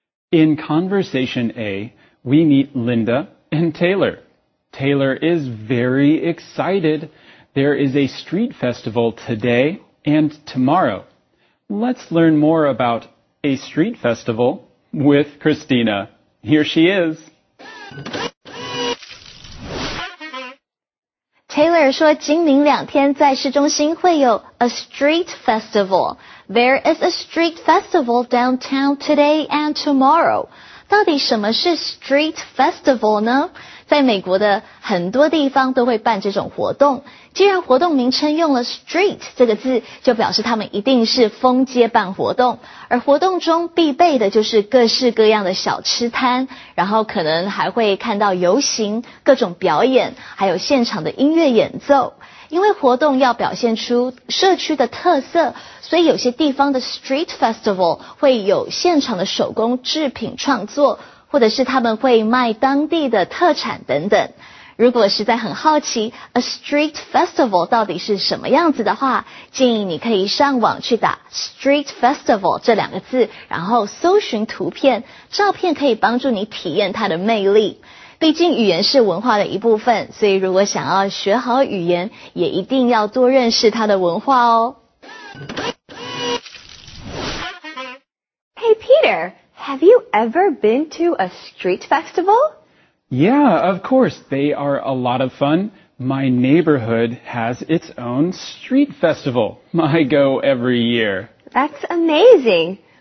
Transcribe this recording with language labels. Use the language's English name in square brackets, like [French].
[English] In conversation A, we meet Linda and Taylor. Taylor is very excited. There is a street festival today and tomorrow. Let's learn more about a street festival with Christina. Here she is. [Chinese] Taylor 说今明两天在市中心会有 a street festival. [English] There is a street festival downtown today and tomorrow. [Chinese] 到底什么是 street festival 呢？在美国的很多地方都会办这种活动，既然活动名称用了 street 这个字，就表示他们一定是封街办活动，而活动中必备的就是各式各样的小吃摊，然后可能还会看到游行、各种表演，还有现场的音乐演奏。因为活动要表现出社区的特色，所以有些地方的 street festival 会有现场的手工制品创作，或者是他们会卖当地的特产等等。如果实在很好奇 a street festival 到底是什么样子的话，建议你可以上网去打 street festival 这两个字，然后搜寻图片，照片可以帮助你体验它的魅力。毕竟语言是文化的一部分，所以如果想要学好语言，也一定要多认识它的文化哦。 [English] Hey Peter, have you ever been to a street festival? Yeah, of course. They are a lot of fun. My neighborhood has its own street festival. I go every year. That's amazing.